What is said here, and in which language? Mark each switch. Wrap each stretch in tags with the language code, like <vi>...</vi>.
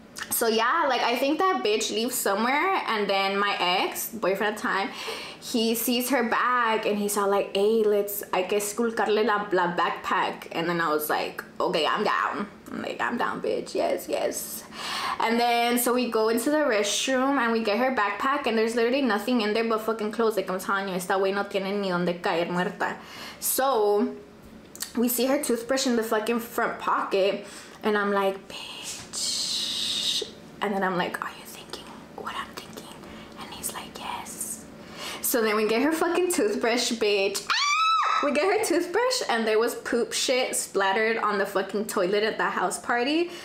<en>So yeah, like, I think that bitch leaves somewhere, and then my ex, boyfriend at the time, he sees her bag, and he's all like, hey, let's, I guess,</en> <es>esculcarle la</es> <en>backpack. And then I was like, okay, I'm down. I'm like, I'm down, bitch. Yes, yes. And then, so we go into the restroom, and we get her backpack, and there's literally nothing in there but fucking clothes. Like, I'm telling you,</en> <es>esta wey no tiene ni donde caer muerta.</es> <en>So, we see her toothbrush in the fucking front pocket, and I'm like, bitch. And then I'm like, are you thinking what I'm thinking? And he's like, yes. So then we get her fucking toothbrush, bitch. We get her toothbrush, and there was poop shit splattered on the fucking toilet at the house party.</en>